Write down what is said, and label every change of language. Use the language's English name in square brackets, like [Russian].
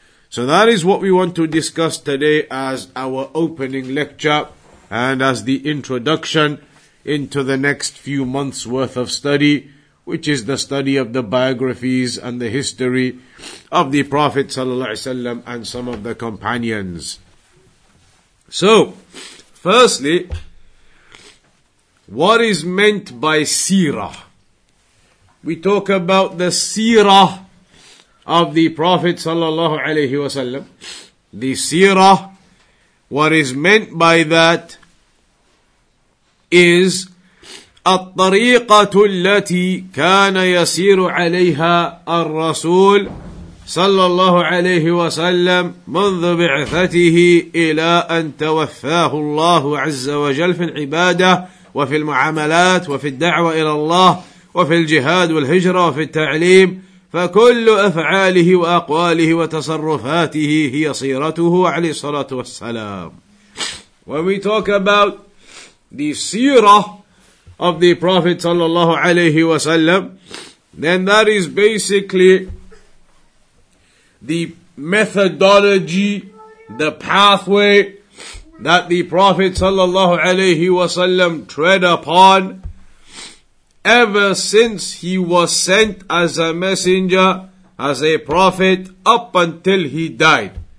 [English] So that is what we want to discuss today as our opening lecture and as the introduction into the next few months worth of study, which is the study of the biographies and the history of the Prophet sallallahu alaihi wasallam and some of the companions. So firstly, what is meant by seerah? We talk about the seerah of the Prophet sallallahu alayhi wa sallam. The seerah, what is meant by that is [Arabic] al-tariqatul lati kana yasiru alayha ar-rasul sallallahu alayhi wa sallam منذ بعثته إلى أن توفاه الله عز وجل في العبادة وفي المعاملات وفي الدعوة إلى الله وفي الجهاد والهجرة وفي التعليم فكل أفعاله وأقواله وتصرفاته هي صيرته عليه الصلاة والسلام. [English] When we talk about the seerah of the Prophet صلى الله عليه وسلم, then that is basically the methodology, the pathway that the Prophet sallallahu alayhi wa sallam tread upon ever since he was sent as a messenger, as a prophet, up until he died.